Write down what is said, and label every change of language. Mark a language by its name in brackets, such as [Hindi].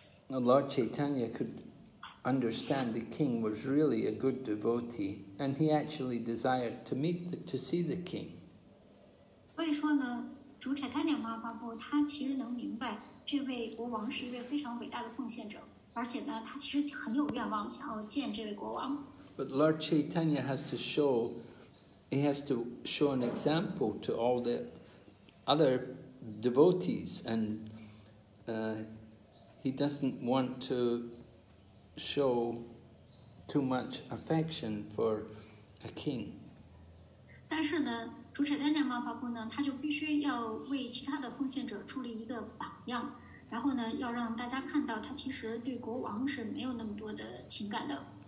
[English] Lord Chaitanya could understand the king was really a good devotee, and he actually desired to meet the, to see the king. [Chinese] 所以说呢, 主柴丹娘妈妈不, 她其实能明白这位国王是一位非常伟大的奉献者, 而且呢, 她其实很有愿望, 想要见这位国王。 [English] But Lord Chaitanya has to show, he has to show an example to all the other devotees, and he doesn't want to show too much affection for a king. [Chinese] 但是呢, 主柴丹娘妈妈不呢, 她就必须要为其他的奉献者树立一个榜样, 然后呢, 要让大家看到, 她其实对国王是没有那么多的情感的。